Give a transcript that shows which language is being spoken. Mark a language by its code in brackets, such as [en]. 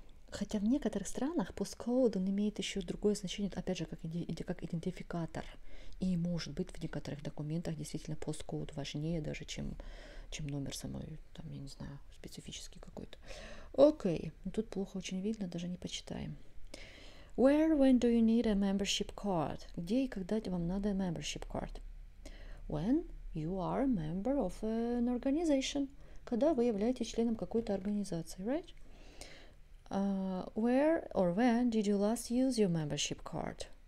[ru] Хотя в некоторых странах постковод он имеет еще другое значение, опять же, как идентификатор. И может быть в некоторых документах действительно посткод важнее даже, чем номер самой, там, я не знаю, специфический какой-то. Окей, тут плохо очень видно, даже не почитаем. [en] Where, when do you need a membership card? [ru] Где и когда вам надо membership card? [en] When you are a member of an organization. [ru] Когда вы являетесь членом какой-то организации, [en] right? Where or when did you last use your membership card?